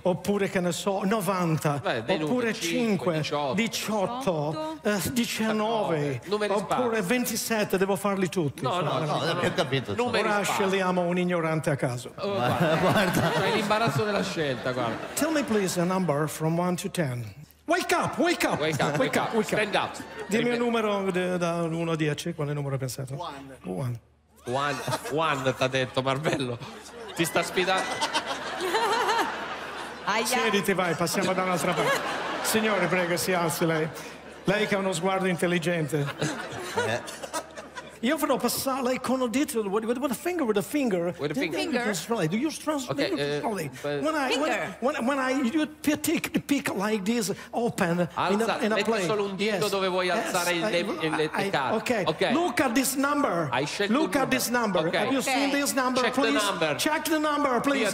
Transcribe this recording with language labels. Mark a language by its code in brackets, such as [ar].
[it] Oppure che ne so, 90, beh, oppure 5, 5 18, 19, oppure 27, devo farli tutti. No, ho capito. Ora scegliamo un ignorante a caso. Guarda. Hai l'imbarazzo della scelta, guarda. [en] Tell me please a number from 1 to 10. Wake up. Stand up. [it] Dimmi un numero da 1 a 10, quale numero hai pensato? [en] One, [it] t'ha detto Marvello. Ti sta sfidando. Siediti, vai, passiamo da un'altra parte. Signore, prego, si alzi lei. Lei che ha uno sguardo intelligente. Io farò passare lei con un dito, [en] with a finger. With a finger. Do you translate? Okay. When I pick like this, open. [it] Metti solo un dito, [en] yes. [it] Dove vuoi alzare il [en] okay. Ok. Look at this number. Look at this number. Okay. Have you seen this number? Check please. The number. Check the number, please.